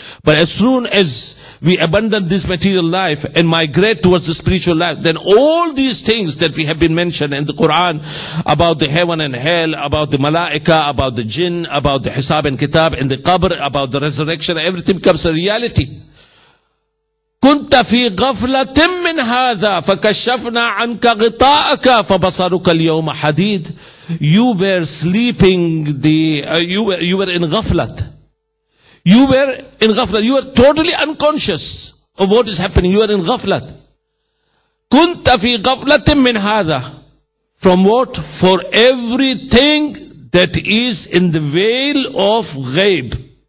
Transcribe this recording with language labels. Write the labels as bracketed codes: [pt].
[en] But as soon as we abandon this material life and migrate towards the spiritual life, then all these things that we have been mentioned in the Quran about the heaven and hell, about the malaika, about the jinn, about the hisab and kitab, and the qabr, about the resurrection, everything becomes a reality. [ar] كنت في غفلة من هذا فكشفنا عنك غطاءك فبصرك اليوم حديد. [en] You were in ghaflat. You were totally unconscious of what is happening. You were in ghaflat. [ar] كنت في غفلة من هذا. [en] From what? For everything that is in the veil of ghaib.